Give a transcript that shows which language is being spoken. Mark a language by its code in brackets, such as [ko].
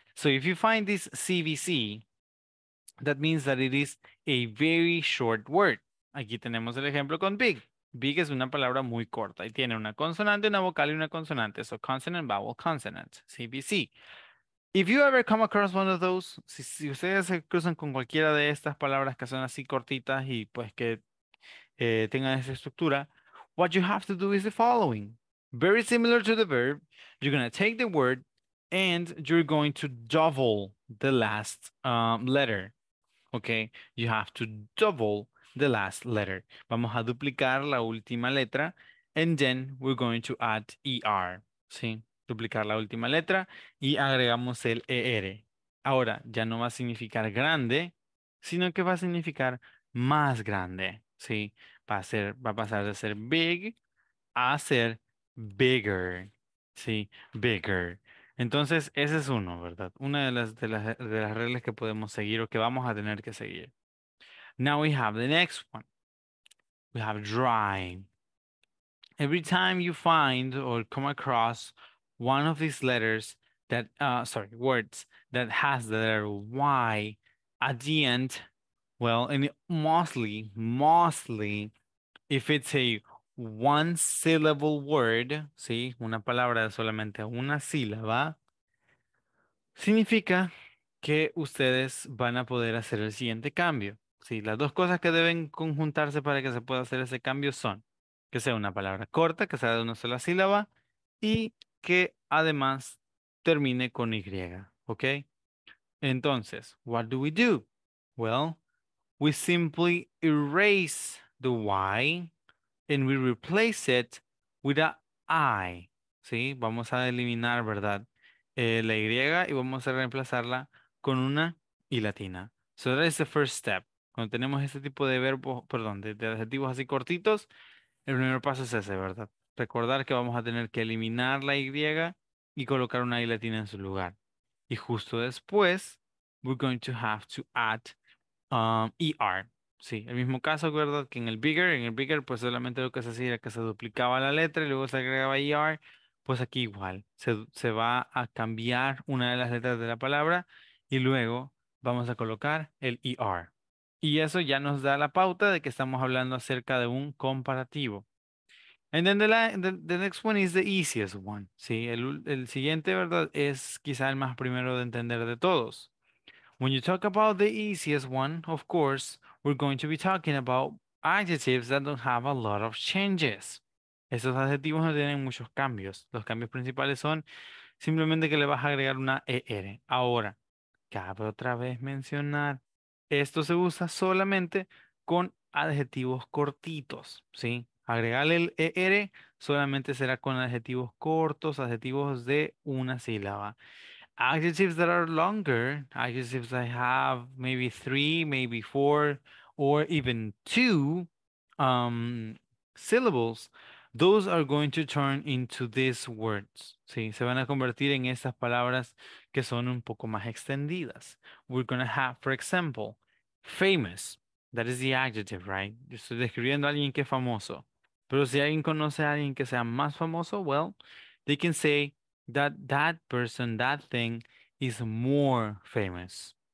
[en] So if you find this CVC, that means that it is a very short word. [es] Aquí tenemos el ejemplo con big. Big es una palabra muy corta y tiene una consonante, una vocal y una consonante. [en] So consonant, vowel, consonant, CVC. If you ever come across one of those, [es] si ustedes se cruzan con cualquiera de estas palabras que son así cortitas y pues que tengan esa estructura, [en] what you have to do is the following. Very similar to the verb, you're going to take the word and you're going to double the last letter. Okay, you have to double the last letter. [es] Vamos a duplicar la última letra [en] and then we're going to add ER. [es] ¿Sí? Duplicar la última letra y agregamos el ER. Ahora, ya no va a significar grande, sino que va a significar más grande. ¿Sí? Va a pasar de ser big a ser bigger. ¿Sí? Bigger. Entonces, ese es uno, ¿verdad? Una de las reglas que podemos seguir o que vamos a tener que seguir. [en] Now we have the next one. We have dry. Every time you find or come across one of these letters that, words that has the letter Y at the end, well, and mostly, if it's a one syllable word, [es] ¿sí? Una palabra de solamente una sílaba, significa que ustedes van a poder hacer el siguiente cambio. Sí, las dos cosas que deben conjuntarse para que se pueda hacer ese cambio son que sea una palabra corta, que sea de una sola sílaba y que además termine con Y, ¿ok? Entonces, [en] what do we do? Well, we simply erase the Y and we replace it with a I. [es] Sí, vamos a eliminar, ¿verdad? La Y y vamos a reemplazarla con una I latina. [en] So that is the first step. [es] Cuando tenemos este tipo de verbos, perdón, de adjetivos así cortitos, el primer paso es ese, ¿verdad? Recordar que vamos a tener que eliminar la Y y colocar una I latina en su lugar. Y justo después, [en] we're going to have to add ER. [es] Sí, el mismo caso, ¿verdad? Que en el bigger, pues solamente lo que se hacía era que se duplicaba la letra y luego se agregaba ER. Pues aquí igual, se va a cambiar una de las letras de la palabra y luego vamos a colocar el ER. Y eso ya nos da la pauta de que estamos hablando acerca de un comparativo. [en] And then the next one is the easiest one. [es] Sí, el siguiente, ¿verdad? Es quizá el más primero de entender de todos. [en] When you talk about the easiest one, of course, we're going to be talking about adjectives that don't have a lot of changes. [es] Esos adjetivos no tienen muchos cambios. Los cambios principales son simplemente que le vas a agregar una ER. Ahora, cabe otra vez mencionar. Esto se usa solamente con adjetivos cortitos, ¿sí? Agregarle el ER solamente será con adjetivos cortos, adjetivos de una sílaba. [en] adjectives that are longer, adjectives that have maybe three, maybe four, or even two syllables, those are going to turn into these words. [es] ¿Sí? Se van a convertir en estas palabras que son un poco más extendidas. [en] We're going to have, for example, famous. That is the adjective, right? [es] Yo estoy describiendo a alguien que es famoso. Pero si alguien conoce a alguien que sea más famoso, [en] well, they can say that that person, that thing is more famous.